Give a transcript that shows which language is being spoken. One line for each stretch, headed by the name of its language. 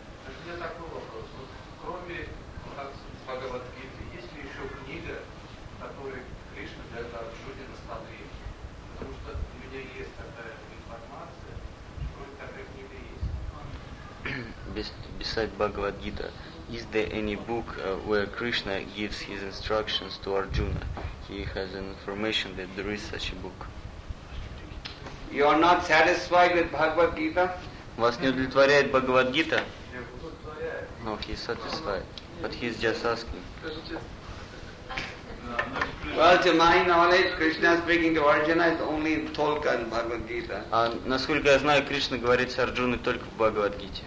Russian: Значит, у меня такой вопрос. Вот, кроме Бхагавад-гиты, есть ли еще книга, которую Кришна для этого Арджуны насмотрел? Потому что у меня есть такая информация, что такая книга есть.
English: Beside Бхагавад-гита. Is there any book where Krishna gives his instructions to Arjuna? He has an information that there is such a book. You are not satisfied with Bhagavad Gita?
Russian: Вас не удовлетворяет Бхагавад Гита?
English: No, he is satisfied. But he is just asking. Well, to my knowledge, Krishna speaking to Arjuna is only in Tolka and Bhagavad Gita.
Russian: А насколько я знаю, Кришна говорит с Арджуной только в Бхагавад Гите.